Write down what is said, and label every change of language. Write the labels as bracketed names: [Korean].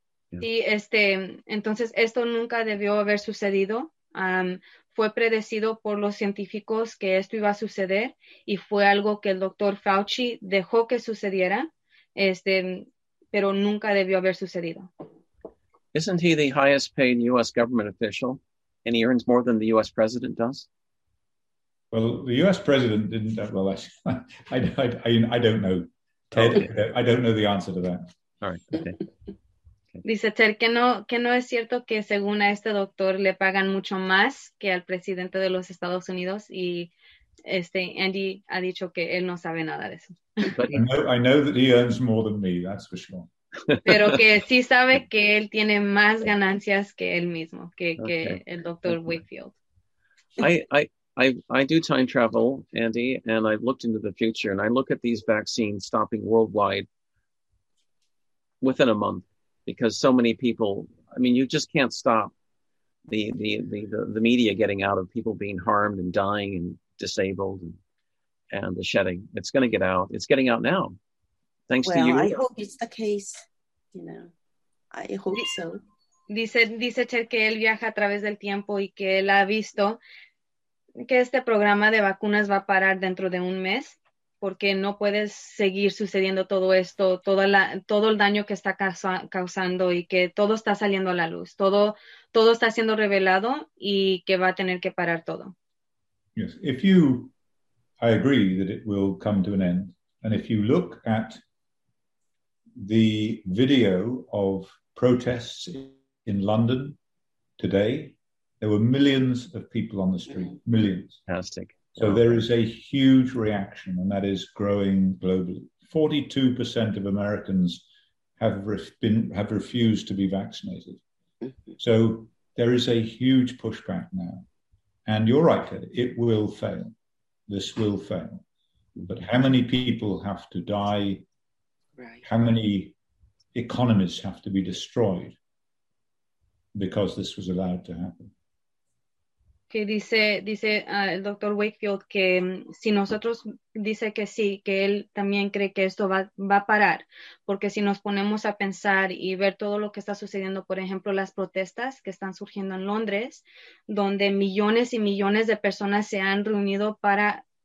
[English] Yeah. [Spanish] Y entonces esto nunca debió haber sucedido. Fue predecido por los científicos que esto iba a suceder y fue algo que el doctor Fauci dejó que sucediera, pero nunca debió haber sucedido. [English] Isn't he the highest paid U.S. government official and he earns more than the U.S. president does? Well, the U.S. president didn't. Well, I don't know, Ted. Okay. I don't know the answer to that. All right. Okay. [Spanish] Dice Ted que no es cierto que según a este doctor le pagan mucho más que al presidente de los Estados Unidos y Andy ha dicho que él no sabe nada de eso. [English] I know that he earns more than me. That's for sure. [Spanish] Pero que sí sabe que él tiene más ganancias que él mismo, que el doctor Wakefield. [English] I do time travel, Andy, and I've looked into the future, and I look at these vaccines stopping worldwide within a month, because so many people, I mean, you just can't stop the media getting out of people being harmed and dying and disabled and the shedding. It's going to get out. It's getting out now, thanks to you. Well, I hope it's the case, I hope so. [Spanish] Dice Ter que él viaja a través del tiempo y que él ha visto que este programa de vacunas va a parar dentro de un mes, porque no puedes seguir sucediendo todo esto, todo el daño que está causando y que todo está saliendo a la luz, todo está siendo revelado y que va a tener que parar todo. [English] Yes, if you, I agree that it will come to an end. And if you look at the video of protests in London today, there were millions of people on the street, millions. Fantastic. So there is a huge reaction, and that is growing globally. 42% of Americans have refused to be vaccinated. So there is a huge pushback now. And you're right, Ted, it will fail. This will fail. But how many people have to die? Right. How many economies have to be destroyed because this was allowed to happen? [Spanish] Que dice el doctor Wakefield que si nosotros, dice que sí, que él también cree que esto va a parar, porque si nos ponemos a pensar y ver todo lo que está sucediendo, por ejemplo, las protestas que están surgiendo en Londres, donde millones y millones de personas se han reunido para